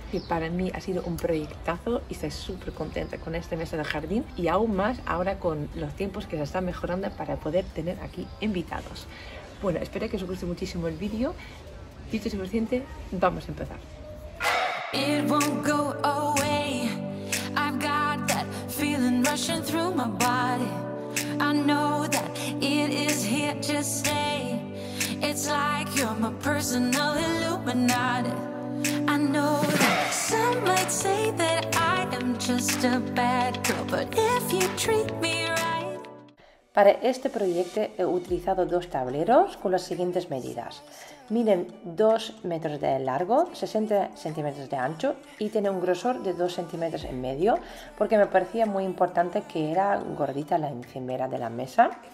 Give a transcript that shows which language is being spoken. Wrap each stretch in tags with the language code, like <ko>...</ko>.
<es>Que para mí ha sido un proyectazo y estoy súper contenta con esta mesa de jardín y aún más ahora con los tiempos que se están mejorando para poder tener aquí invitados. Bueno, espero que os guste muchísimo el vídeo. Dicho y suficiente, vamos a empezar.</es> <en>It won't go away. I've got that feeling rushing through my body. I know that it is here to stay. It's like you're my personal Illuminati. I know that some might say that I am just a bad girl, but if you treat me right.</en> <es>Para este proyecto he utilizado dos tableros con las siguientes medidas. Miden 2 metros de largo, 60 centímetros de ancho y tiene un grosor de 2 centímetros en medio porque me parecía muy importante que era gordita la encimera de la mesa.</es>